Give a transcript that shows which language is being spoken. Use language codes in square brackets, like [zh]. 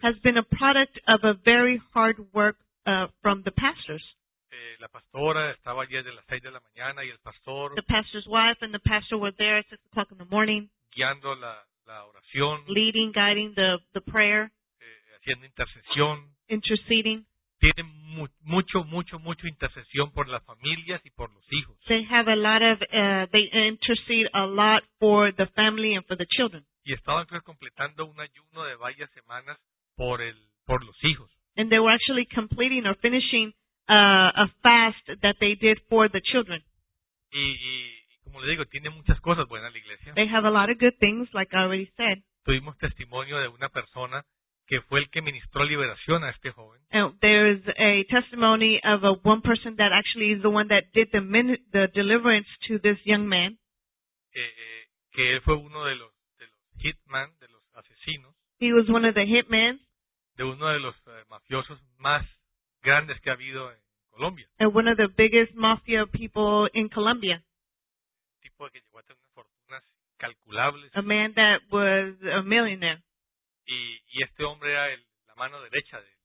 [en] Has been a product of a very hard work from the pastors. [es] La pastora estaba allí desde las 6 de la mañana y el pastor, [en] the pastor's wife and the pastor were there at 6 o'clock in the morning, [es] guiando la oración, [en] leading, guiding the prayer, [es] haciendo intercesión, [en] interceding. [es] Tiene mucho intercesión por las familias y por los hijos. [en] They have a lot of they intercede a lot for the family and for the children. [es] Y estaban completando un ayuno de varias semanas por los hijos. [en] And they were actually completing or finishing a fast that they did for the children. [es] Y como le digo, tiene muchas cosas buenas la iglesia. [en] They have a lot of good things, like I already said. [es] Tuvimos testimonio de una persona que fue el que ministró liberación a este joven. [en] And there is a testimony of a one person that actually is the one that did the deliverance to this young man. [es] Que él fue uno de los hitman, de los asesinos. [en] He was one of the hitmen. [es] De uno de los mafiosos más grandes que ha habido en Colombia. [en] And one of the biggest mafia people in Colombia. [es] Tipo que llegó a tener unas fortunas calculables. [en] A man that was a millionaire. [es] Y este hombre era la mano derecha de él.